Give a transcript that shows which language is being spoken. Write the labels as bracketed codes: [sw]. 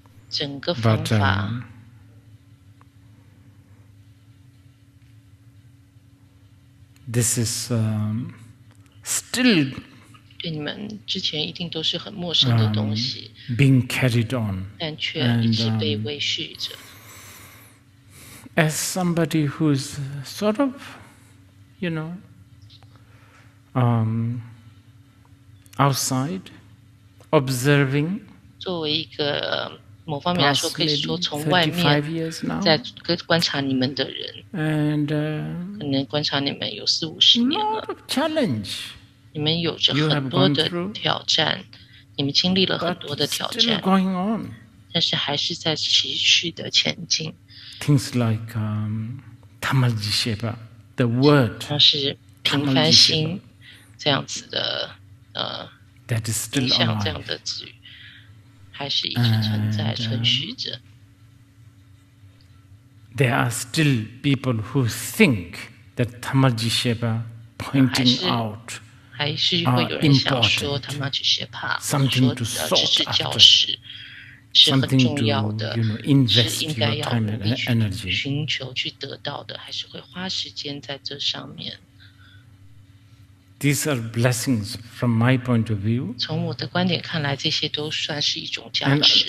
[zh] 整个方法 [en] but, this is still [zh] 对你们之前一定都是很陌生的东西 [en] being carried on, [zh] 但却一直被维续着 [en] as somebody who's sort of, you know,outside, observing. [zh] 作为一个某方面来说，可以说从外面在观察你们的人， [en] and, [zh] 可能观察你们有四五十年了。 [en] Lot of challenge. [zh] 你们有着很多的挑战，你们经历了很多的挑战。 [en] But still going on. [zh] 但是还是在持续的前进。 [en] Things like tamajiseba, the word. [zh] 它是平凡心。这样子的 [en] That is still alive. [zh] 像这样的词语还是一直存在存续着。 [en] There are still people who think that Tamajiseba pointing out [zh] 还是会有人想说 Tamajiseba [en] something to sort after, [zh] 是很重要的 [en] you know, invest [zh] 是应该要努力 [en] energy. [zh] 寻求去得到的还是会花时间在这上面。 [en] These are blessings from my point of view. [zh] 从我的观点看来，这些都算是一种加持。